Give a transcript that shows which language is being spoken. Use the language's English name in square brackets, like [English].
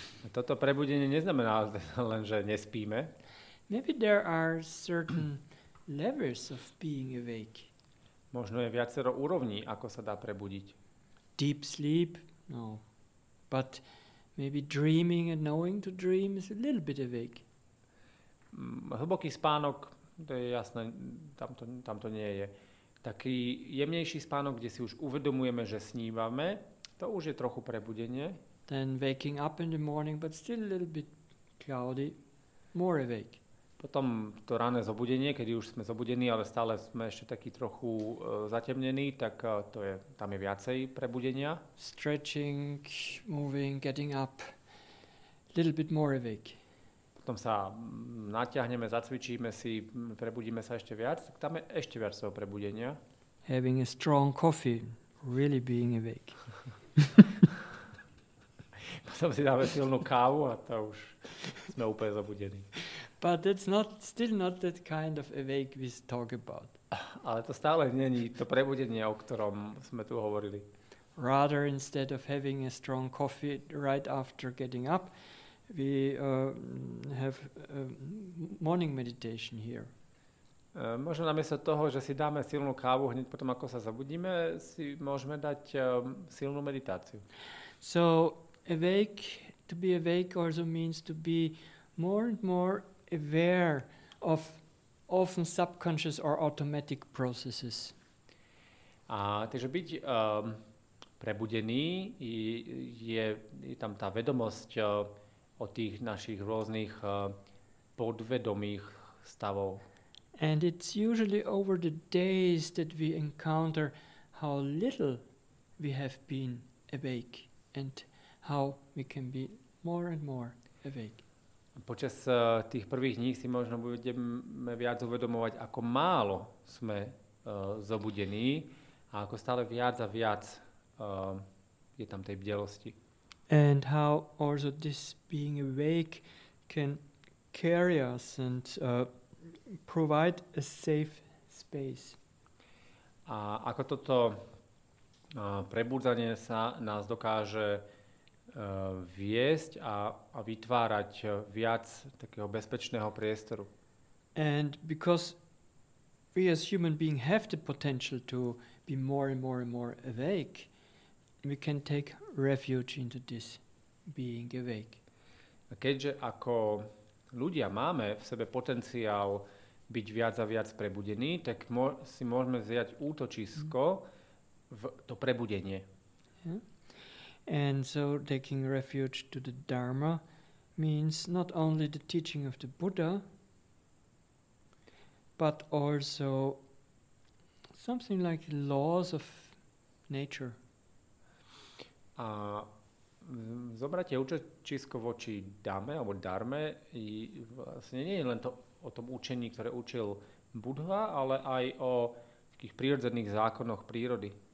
[Slovak] Toto prebudenie neznamená len, že nespíme. [English] Maybe there are certain levels of being awake. [Slovak] Možno je viacero úrovní, ako sa dá prebudiť. [English] Deep sleep? No. But maybe dreaming and knowing to dream is a little bit awake. [Slovak] Hlboký spánok, to je jasné, tam to nie je. Taký jemnejší spánok, kde si už uvedomujeme, že snívame, to už je trochu prebudenie. [English] Then waking up in the morning, but still a little bit cloudy, more awake. [Slovak] Potom to ranné zobudenie, kedy už sme zobudení, ale stále sme ešte taký trochu zatemnení, tak to je, tam je viacej prebudenia. [English] Stretching, moving, getting up, a little bit more awake. [Slovak] Potom sa natiahneme, zacvičíme si, prebudíme sa ešte viac, tak tam je ešte viac toho prebudenia. [English] Having a strong coffee, really being awake. [Slovak] Potom si dáme silnú kávu a to už sme úplne zabudení. [English] But it's not, still not that kind of awake we talk about. [Slovak] Ale to stále není to prebudenie, o ktorom sme tu hovorili. [English] Rather, instead of having a strong coffee right after getting up, we have morning meditation here. [Slovak] Možno namiesto toho, že si dáme silnú kávu hneď potom, ako sa zabudíme, si môžeme dať silnú meditáciu. [English] So awake, to be awake also means to be more and more aware of often subconscious or automatic processes. [Slovak] A takže byť prebudený je tam tá vedomosť o tých našich rôznych podvedomých stavov. [English] And it's usually over the days that we encounter how little we have been awake and how we can be more and more. awake. [Slovak] Počas tých prvých dní si možno budeme viac uvedomovať, ako málo sme zobudení a ako stále viac a viac je tam tej bdelosti. [English] And how also this being awake can carry us and provide a safe space. [Slovak] A ako toto prebudzanie sa nás dokáže viesť a vytvárať viac takého bezpečného priestoru. [English] And because we as human being have the potential to be more and more and more awake, we can take refuge into this being awake. [Slovak] A keďže ako ľudia máme v sebe potenciál byť viac a viac prebudení, tak si môžeme vziať útočisko v to prebudenie. [English] And so taking refuge to the Dharma means not only the teaching of the Buddha, but also something like laws of nature. [Slovak] A zobrate učečisko voči Dame alebo Dharme vlastne nie je len to o tom učení, ktoré učil Buddha, ale aj o takých prírodzených zákonoch prírody.